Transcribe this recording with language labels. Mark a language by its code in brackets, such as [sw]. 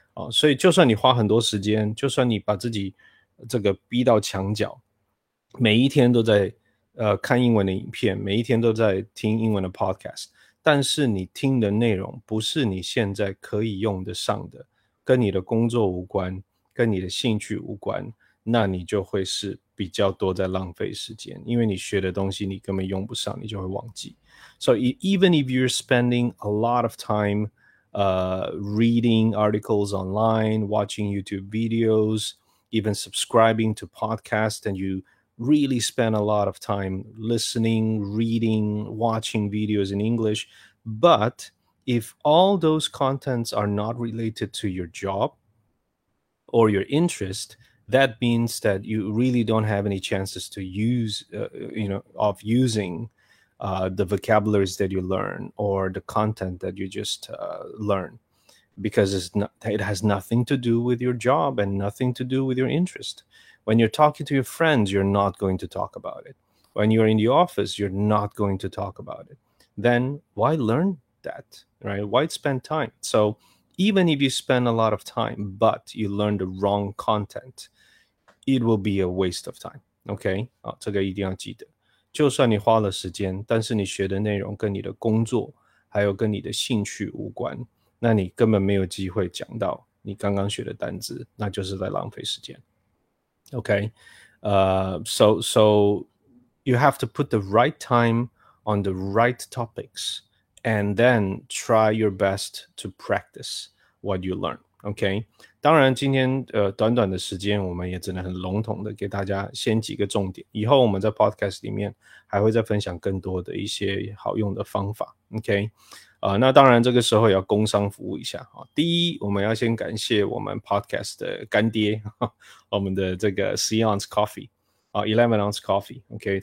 [zh] 所以就算你花很多时间，就算你把自己这个逼到墙角，每一天都在看英文的影片，每一天都在听英文的 podcast， 但是你听的内容不是你现在可以用得上的，跟你的工作无关，跟你的兴趣无关，那你就会是比较多在浪费时间，因为你学的东西你根本用不上，你就会忘记。 [en] So even if you're spending a lot of time reading articles online, watching YouTube videos, even subscribing to podcasts, and you really spend a lot of time listening, reading, watching videos in English, but if all those contents are not related to your job or your interest,That means that you really don't have any chances to use, of using the vocabularies that you learn or the content that you just learn, because it has nothing to do with your job and nothing to do with your interest. When you're talking to your friends, you're not going to talk about it. When you're in the office, you're not going to talk about it. Then why learn that, right? Why spend time? So even if you spend a lot of time, but you learn the wrong content,It will be a waste of time. [zh] OK, 这个一定要记得。就算你花了时间，但是你学的内容跟你的工作还有跟你的兴趣无关，那你根本没有机会讲到你刚刚学的单字，那就是在浪费时间。 [en] OK, so you have to put the right time on the right topics and then try your best to practice what you learn. OK? [zh] 当然今天短短的时间我们也只能很笼统的给大家先几个重点，以后我们在 podcast 里面还会再分享更多的一些好用的方法。 OK、那当然这个时候也要工商服务一下、第一，我们要先感谢我们 podcast 的干爹，我们的这个 C-Ounce Coffee、11-Ounce Coffee、okay?